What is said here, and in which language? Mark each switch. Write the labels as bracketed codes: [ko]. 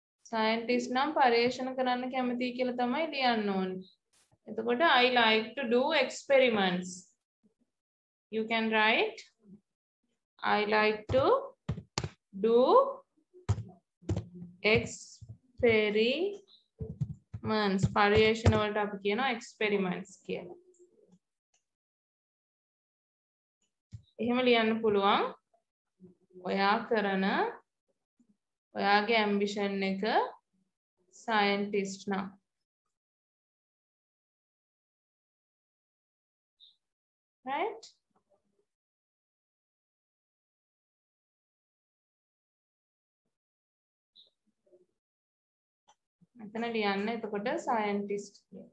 [si] Scientist නම් පරීක්ෂණ කරන්න කැමතියි කියලා තමයි ලියන්න ඕනේ. එතකොට [en] I like to do experiments. You can write I like to do experiments. [si] පරීක්ෂණ වලට අපි කියනවා experiments කියලා. එහෙම ලියන්න පුළුවන්. ඔයා කරන ඔයාගේ ambition එක scientist නා right මෙතන ලියන්න එතකොට scientist